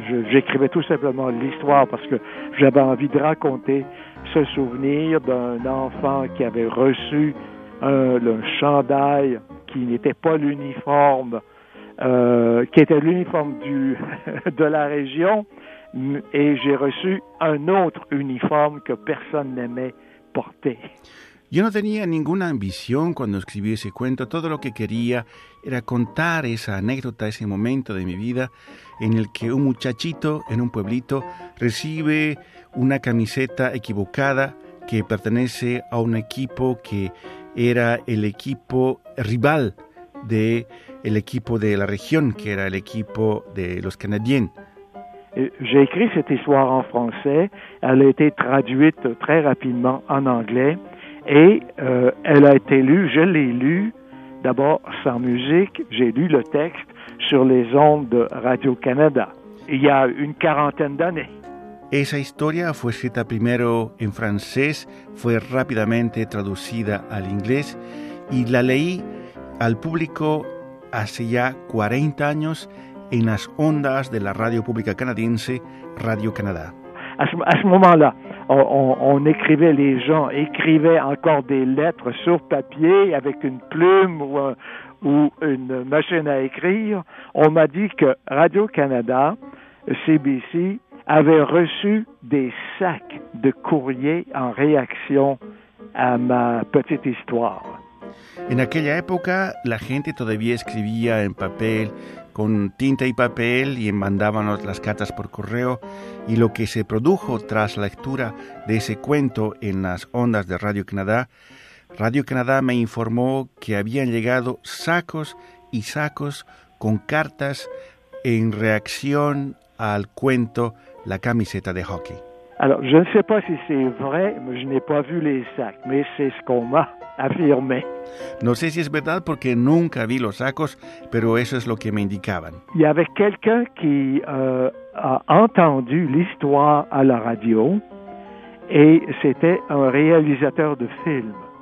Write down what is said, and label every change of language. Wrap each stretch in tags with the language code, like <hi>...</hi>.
<fr>J'écrivais tout simplement l'histoire parce que j'avais envie de raconter ce souvenir d'un enfant qui avait reçu un chandail qui n'était pas l'uniforme, qui était l'uniforme de la région, et j'ai reçu un autre uniforme que personne n'aimait porter.</fr> <es>Yo no tenía ninguna ambición cuando escribí ese cuento. Todo lo que quería era contar esa anécdota, ese momento de mi vida en el que un muchachito en un pueblito recibe una camiseta equivocada que pertenece a un equipo que era el equipo rival del equipo de la región, que era el equipo de los Canadiens.</es> <fr>J'ai écrit cette histoire en français. Elle a été traduite très rapidement en anglais. Et elle a été lue, je l'ai lue, d'abord sans musique, j'ai lu le texte sur les ondes de Radio-Canada, il y a une quarantaine d'années.</fr> <es>Esa historia fue escrita primero en francés, fue rápidamente traducida al inglés, y la leí al público hace ya 40 años en las ondas de la radio pública canadiense Radio Canadá.</es> <fr>À ce moment-là, on écrivait, les gens écrivaient encore des lettres sur papier avec une plume ou une machine à écrire. On m'a dit que Radio-Canada, CBC, avait reçu des sacs de courriers en réaction à ma petite histoire.</fr> <es>En aquella época, la gente todavía escribía en papel, con tinta y papel, y mandaban las cartas por correo. Y lo que se produjo tras la lectura de ese cuento en las ondas de Radio Canadá, Radio Canadá me informó que habían llegado sacos y sacos con cartas en reacción al cuento La camiseta de hockey.</es> <fr>Alors, je ne sais pas si c'est vrai, mais je n'ai pas vu les sacs, mais c'est ce qu'on m'a affirmé.</fr> <es>No sé si es verdad porque nunca vi los sacos, pero eso es lo que me indicaban.</es> <fr>Il y avait quelqu'un qui a entendu l'histoire à la radio et c'était un réalisateur de film.</fr>